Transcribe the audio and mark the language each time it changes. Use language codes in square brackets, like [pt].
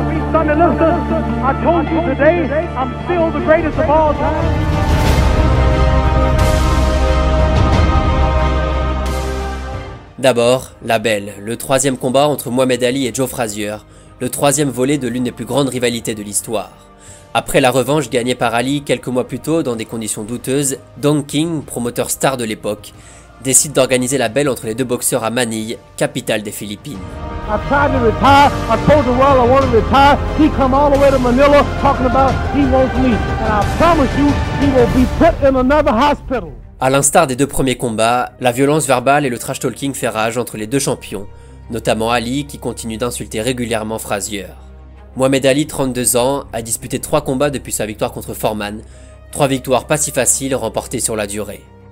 [en] Son, listen, I told you today I'm still the greatest of all time. [fr] D'abord, la belle, le 3ème combat entre Mohamed Ali et Joe Frazier, le troisième volet de l'une des plus grandes rivalités de l'histoire. Après la revanche gagnée par Ali quelques mois plus tôt dans des conditions douteuses, Don King, promoteur star de l'époque, décide d'organiser la belle entre les deux boxeurs à Manille, capitale des Philippines. [en] I tried to retire. I told the world I wanted to retire. He come all the way to Manila talking about he wants me. And I promise you, he will be put in another hospital. [fr] À l'instar des deux premiers combats, la violence verbale et le trash-talking fait rage entre les deux champions, notamment Ali qui continue d'insulter régulièrement Frazier. Mohamed Ali, 32 ans, a disputé 3 combats depuis sa victoire contre Foreman, 3 victoires pas si faciles remportées sur la durée.